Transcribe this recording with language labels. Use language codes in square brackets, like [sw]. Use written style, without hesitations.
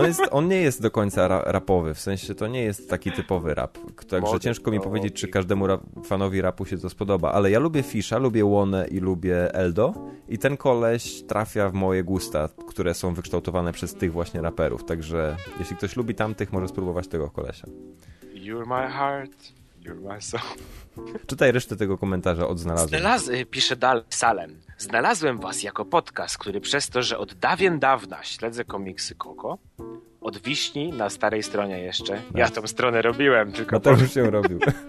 [pl] On nie jest do końca rapowy, w sensie to nie jest taki typowy rap. Także ciężko mi powiedzieć, czy każdemu fanowi rapu się to spodoba. Ale ja lubię Fisha, lubię Łonę i lubię Eldo. I ten koleś trafia w moje gusta, które są wykształtowane przez tych właśnie raperów. Także jeśli ktoś lubi tamtych, może spróbować tego kolesia. [en] You're my heart, you're my soul. [pl] Czytaj resztę tego komentarza, odznalazłem. Pisze dalej Salem. Znalazłem was jako podcast, który przez to, że od dawien dawna śledzę komiksy Koko, od wiśni na starej stronie jeszcze. Ja tą stronę robiłem, tylko... No to już się robił.